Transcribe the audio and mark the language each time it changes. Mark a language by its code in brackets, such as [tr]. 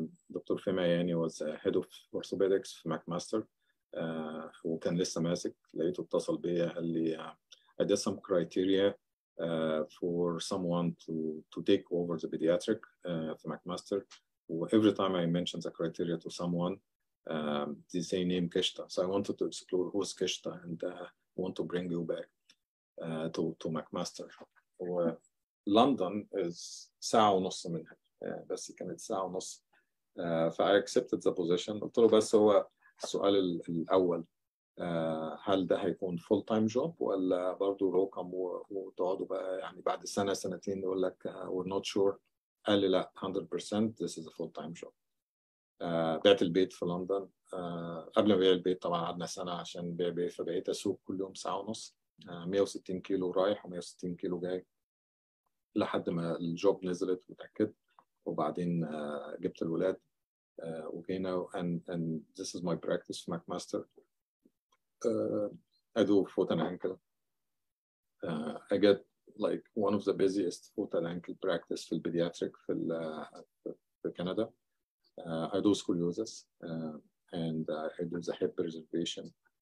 [en] doctor Femi Ayeni was head of orthopedics في McMaster [ar] وكان لسه ماسك لقيته اتصل بيا قال لي [en] I did some criteria for someone to take over the pediatric for McMaster. Every time I mention the criteria to someone, they say name Kishta. So I wanted to explore who's Kishta and want to bring you back to McMaster. London is [ar] ساعة ونص منها. بس كانت ساعة ونص. [en] I accepted the position. [ar] قلت له بس هو السؤال الأول. هل ده هيكون فول تايم جوب ولا برضه رقم وتقعدوا بقى يعني بعد سنه سنتين يقول لك [en] we're not sure. [ar] قال لي لا [en] 100% this is a full time job. [ar] بعت البيت في لندن. قبل ما بيع البيت طبعا قعدنا سنه عشان بيع بيت فبقيت اسوق كل يوم ساعه ونص 160 كيلو رايح و160 كيلو جاي لحد ما الجوب نزلت وتأكد وبعدين جبت الولاد وجينا [en] and this is my practice for McMaster. I do foot and ankle. I get like one of the busiest foot and ankle practice for pediatric for Canada. I do scoliosis and I do the hip preservation.